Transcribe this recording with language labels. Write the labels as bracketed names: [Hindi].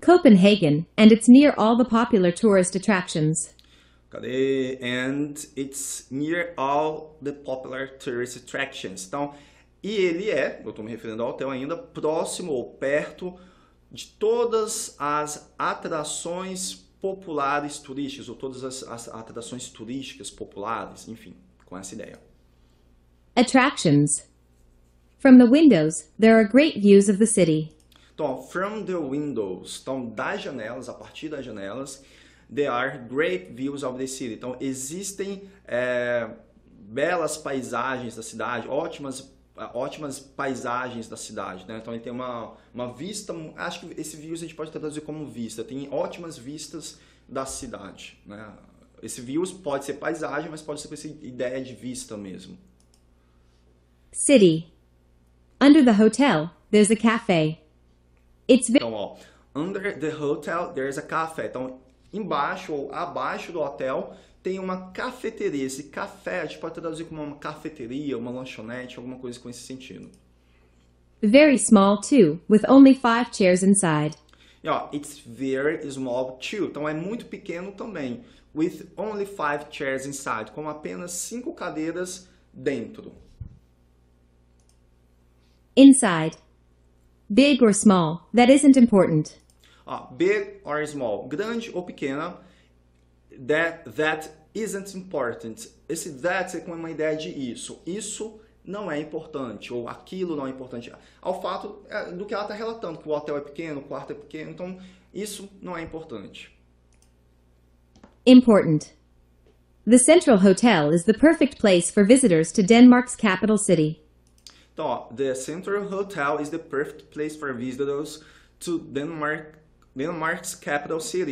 [English] Copenhagen, and it's near all the popular tourist attractions. [Portuguese] Cadê? [English] And it's near all the popular tourist attractions. [Portuguese] Então, e ele é, eu estou me referindo ao hotel ainda, próximo ou perto de todas as atrações populares turísticas, ou todas as atrações turísticas populares, enfim, com essa ideia. [English] Attractions. From the windows, there are great views of the city. Então, from the windows, [Portuguese] então das janelas, a partir das janelas, [English] there are great views of the city. [Portuguese] Então, existem belas paisagens da cidade, ótimas paisagens da cidade, né? Então, ele tem uma vista, acho que esse views a gente pode traduzir como vista, tem ótimas vistas da cidade, né? Esse views pode ser paisagem, mas pode ser com essa ideia de vista mesmo. [English] City. Under the hotel, there's a cafe. Então, ó, under the hotel, there's a cafe. [Portuguese] Então, embaixo ou abaixo do hotel, tem uma cafeteria. Esse café, a gente pode traduzir como uma cafeteria, uma lanchonete, alguma coisa com esse sentido. [English] Very small, too, with only 5 chairs inside. [Portuguese] E, ó, [English] it's very small, too. [Portuguese] Então, é muito pequeno também. [English] With only 5 chairs inside. [Portuguese] Com apenas 5 cadeiras dentro. [English] Inside. Big or small, that isn't important. Big or small, [Portuguese] grande ou pequena, [English] that isn't important. [Portuguese] Esse that é com uma ideia de isso. Isso não é importante, ou aquilo não é importante. Ao fato do que ela está relatando, que o hotel é pequeno, o quarto é pequeno, então isso não é importante. [English] Important. The Central Hotel is the perfect place for visitors to Denmark's capital city. Então, ó, the Central Hotel is the perfect place for visitors to Denmark's capital city.